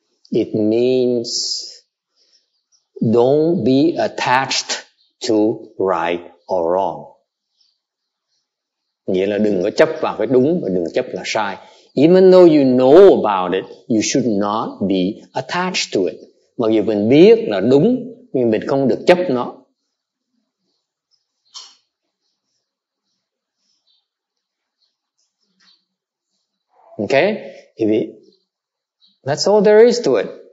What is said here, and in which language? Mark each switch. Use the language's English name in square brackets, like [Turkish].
[English] It means don't be attached to right or wrong. [Vietnamese] Nghĩa là đừng có chấp vào cái đúng và đừng chấp là sai. [English] Even though you know about it, you should not be attached to it. [Vietnamese] Mặc dù mình biết là đúng, nhưng mình không được chấp nó. [English] Okay? That's all there is to it.